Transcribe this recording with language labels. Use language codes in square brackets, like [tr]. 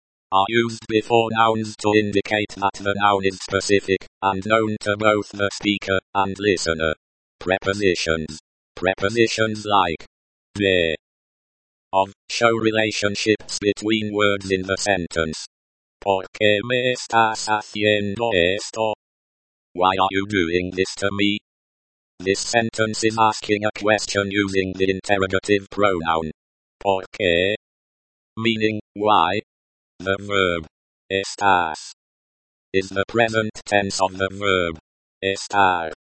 [en] Are used before nouns to indicate that the noun is specific and known to both the speaker and listener. Prepositions. Prepositions like de. Of, show relationships between words in the sentence. [es] ¿Por qué me estás haciendo esto? [en] Why are you doing this to me? This sentence is asking a question using the interrogative pronoun. ¿Por qué? Meaning, why? The verb, estás, is the present tense of the verb, estar.